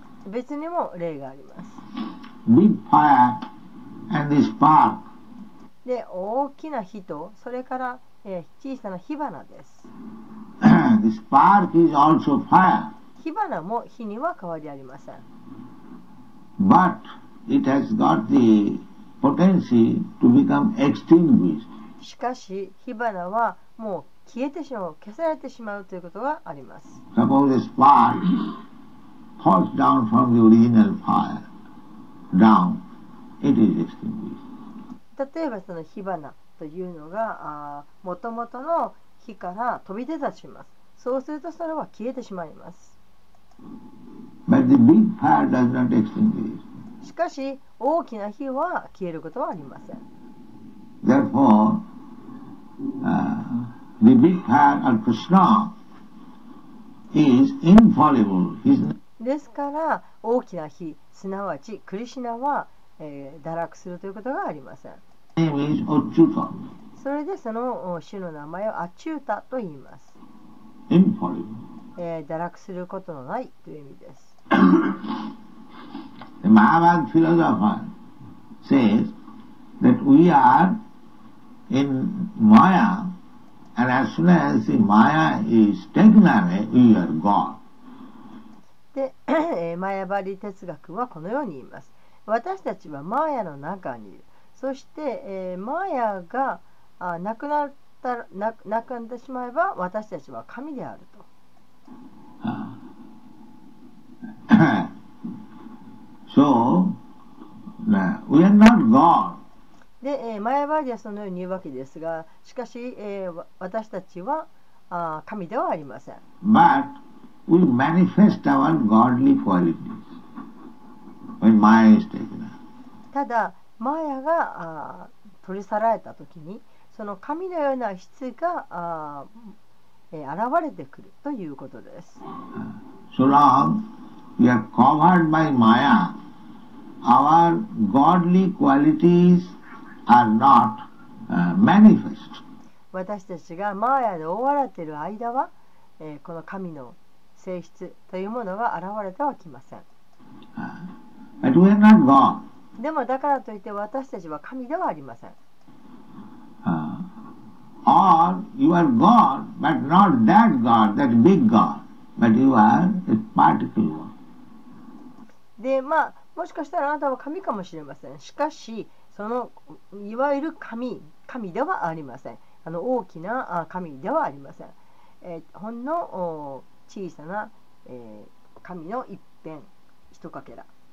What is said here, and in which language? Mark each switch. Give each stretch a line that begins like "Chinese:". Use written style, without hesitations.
Japanese: 別にも例があります。
English: Big fire and the spark.
Japanese: で、大きな火と、それから小さな火花です。
English: The spark is also fire.
Japanese: 火花も火には変わりありません。
English: But it has got the potency to become extinguished.
Japanese: しかし火花はもう消えてしまう、消されてしまうということがあります。
English: Suppose the spark falls down from the original fire down, it is extinguished.
Japanese: 例えばその火花というのが元々の火から飛び出たします。そうするとそれは消えてしまいます。
English: But the big fire does not extinguish.
Japanese: しかし大きな火は消えることはありません。
English: Therefore, the big fire of Krishna is infallible.
Japanese: ですから大きな火、すなわちクリシナは、堕落するということがありません。それでその主の名前をアチュータと言います。堕落することのないという意味です。
English: The Mahavad philosopher says that we are in Maya and as soon as the Maya is taken away, we are gone.
Japanese: で、マヤバリ哲学はこのように言います。私たちはマヤの中にいる。そして、マヤが亡くなってしまえば私たちは神であると。
English: So, we are not God.
Japanese: で、マヤバーディはそのように言うわけですが、しかし、私たちは神ではありません。
English: But we manifest our godly qualities when Maya is taken.
Japanese: ただマヤが取り去られたときに、その神のような質が現れてくるということです。
English: So long we are covered by Maya, our godly qualities are not manifest.
Japanese: 私たちがマヤで覆われている間は、この神の性質というものが現れてはきません。
English: But we are not God.
Japanese: でもだからといって私たちは神ではありません。
English: Or you are God, but not that God, that big God, but you are a particle one.
Japanese: で、まあ、もしかしたらあなたは神かもしれません。しかし、その、いわゆる神、神ではありません。あの大きな神ではありません。ほんの小さな、神の一片、一かけら。